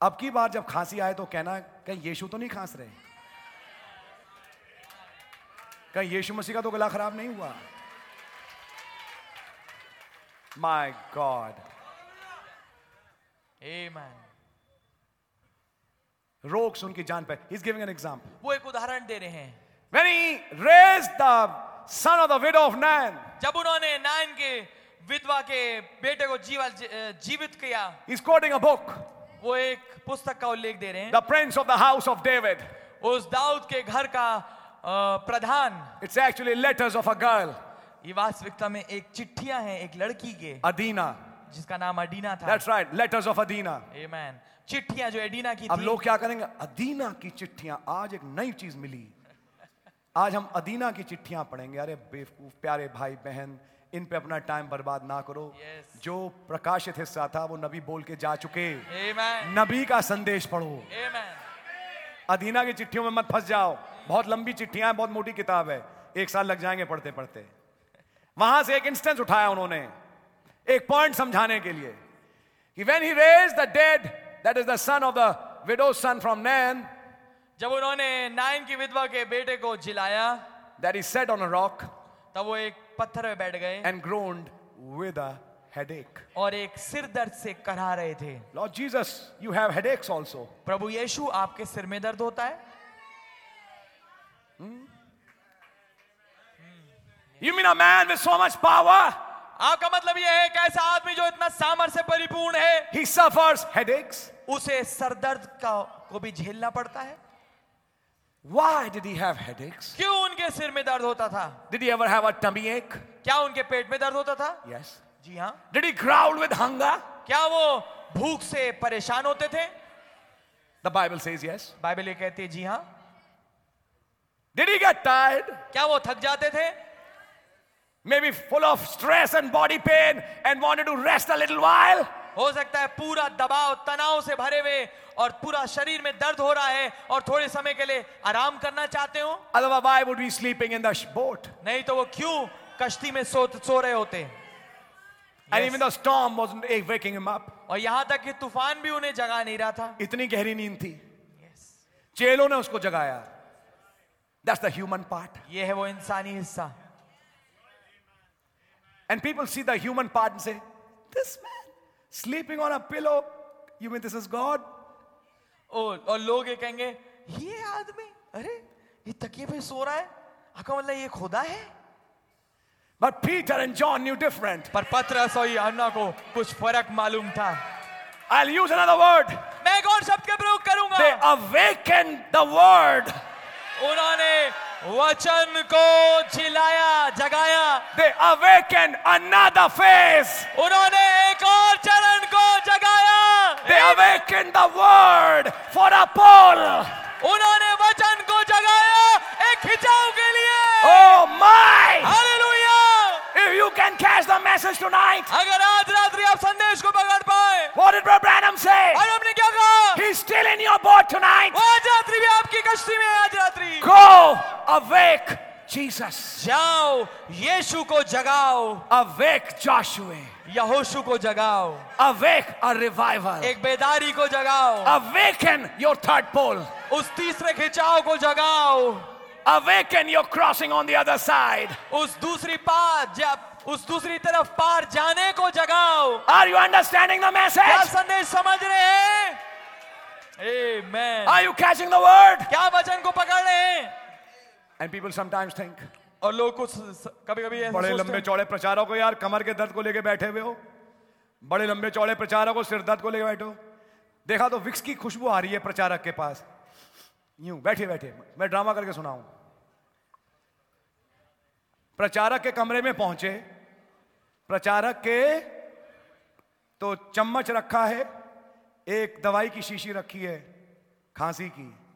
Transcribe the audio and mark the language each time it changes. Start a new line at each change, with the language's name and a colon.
Hindi: अब की बार जब खांसी आए तो कहना कहीं यीशु तो नहीं खांस रहे yes. कहीं यीशु मसीह का तो गला खराब नहीं हुआ
English: My god Amen.
Hindi: रोग सुन की जान पे
English: He's giving an example.
Hindi: वो एक उदाहरण दे रहे हैं
English: When he raised the son of the widow of Nain,
Hindi: जब उन्होंने नाइन के विधवा के बेटे को जीवित किया
English: He's quoting a book.
Hindi: वो एक पुस्तक का उल्लेख दे रहे हैं
English: The Prince of the House of David.
Hindi: उस दाऊद के घर का प्रधान
English: It's actually letters of a girl.
Hindi: ये वास्तविकता में एक चिट्ठियां हैं एक लड़की के अदीना जिसका नाम अदीना था
English: That's right, letters of Adina.
Hindi: Amen. चिट्ठियां जो एडीना की अब लोग क्या करेंगे अदीना की चिट्ठियां आज एक नई चीज मिली आज हम अदीना की चिट्ठियां पढ़ेंगे अरे बेवकूफ प्यारे भाई बहन इन पे अपना टाइम बर्बाद ना करो
English: yes.
Hindi: जो प्रकाशित हिस्सा था वो नबी बोल के जा चुके
English: Amen.
Hindi: नबी का संदेश पढ़ो
English: Amen.
Hindi: अदीना की चिट्ठियों में मत फंस जाओ बहुत लंबी चिट्ठियां हैं बहुत मोटी किताब है एक साल लग जाएंगे पढ़ते पढ़ते वहां से एक इंस्टेंस उठाया उन्होंने एक पॉइंट समझाने के लिए कि
English: When he raised the dead That is the son of the widow's son from Nain.
Hindi: जब उन्होंने नाइन की विधवा के बेटे को जिलाया,
English: that he sat on a rock.
Hindi: तब वो एक पत्थर पे बैठ गए.
English: And groaned with a headache.
Hindi: और एक सिर दर्द से कराह रहे थे.
English: Lord Jesus, you have headaches also.
Hindi: प्रभु यीशु आपके सिर में दर्द होता है?
English: You mean a man with so much power?
Hindi: आपका मतलब यह है कैसा आदमी जो इतना सामर्थ्य परिपूर्ण है
English: He suffers headaches.
Hindi: उसे सरदर्द को भी झेलना पड़ता है
English: Why did he have headaches?
Hindi: क्यों उनके सिर में दर्द होता था
English: Did he ever have a tummy ache?
Hindi: क्या उनके पेट में दर्द होता था
English: Yes.
Hindi: जी हाँ
English: Did he growl with hunger?
Hindi: क्या वो भूख से परेशान होते थे
English: The Bible says yes.
Hindi: Bible ये कहती है जी हाँ
English: Did he get tired?
Hindi: क्या वो थक जाते थे
English: Maybe full of stress and body pain and wanted to rest a little while.
Hindi: हो सकता है पूरा दबाव तनाव से भरे हुए और पूरा शरीर में दर्द हो रहा है और थोड़े समय के लिए आराम करना चाहते हो
English: Otherwise, why would we sleeping in the boat?
Hindi: नहीं तो वो क्यों कश्ती में सो रहे होते
English: And even the storm wasn't waking him up.
Hindi: और यहां तक कि तूफान भी उन्हें जगा नहीं रहा था इतनी गहरी नींद थी
English: yes.
Hindi: चेलों ने उसको जगाया
English: That's the human part.
Hindi: ये है वो इंसानी हिस्सा
English: And people see the human part and say, this man sleeping on a pillow, You mean this is God?
Hindi: और लोग ये कहेंगे ये आदमी अरे ये तकिए पे सो रहा है आपका मतलब ये खुदा है?
English: But Peter and John knew different.
Hindi: पर पत्रस और यूहन्ना को कुछ फर्क मालूम था.
English: I'll use another word.
Hindi: मैं एक और शब्द का प्रयोग करूंगा.
English: They awakened the word.
Hindi: उन्होंने वचन को जिलाया जगाया.
English: They awakened another face.
Hindi: उन्होंने एक और चरण को जगाया.
English: They awakened the word for a pole.
Hindi: उन्होंने वचन को जगाया एक खिंचाव के लिए.
English: Oh my! Hallelujah! If you can catch the message tonight,
Hindi: अगर आज रात्रि आप संदेश को पकड़ पाए,
English: what did Brother Branham say?
Hindi: Branham ने क्या कहा?
English: He's still in your boat tonight.
Hindi: वो आज रात्रि भी आपकी कश्ती में है आज रात्रि.
English: Go awake Jesus.
Hindi: जाओ यीशु को जगाओ.
English: Awake Joshua.
Hindi: यहोशु को जगाओ.
English: Awake a revival.
Hindi: एक बेदारी को जगाओ.
English: Awaken your third pole.
Hindi: उस तीसरे खिंचाव को जगाओ.
English: Awaken your crossing on the other side.
Hindi: उस दूसरी पार जब उस दूसरी तरफ पार जाने को जगाओ.
English: Are you understanding the message?
Hindi: क्या संदेश समझ रहे हैं? Amen.
English: Are you catching the word?
Hindi: क्या वचन को पकड़ रहे हैं?
English: And people sometimes think.
Hindi: और लोग कुछ कभी कभी बड़े लंबे चौड़े प्रचारों को यार कमर के दर्द को लेके बैठे हुए हो. बड़े लंबे चौड़े प्रचारों को सिर दर्द को लेके बैठो. देखा तो विक्स की खुशबू आ रही है प्रचारक के पास. यूं बैठे बैठे मैं ड्रामा करके सुनाऊं. प्रचारक के कमरे में पहुंचे. प्रचारक के तो चम्मच रखा है, एक दवाई की शीशी रखी है खांसी की.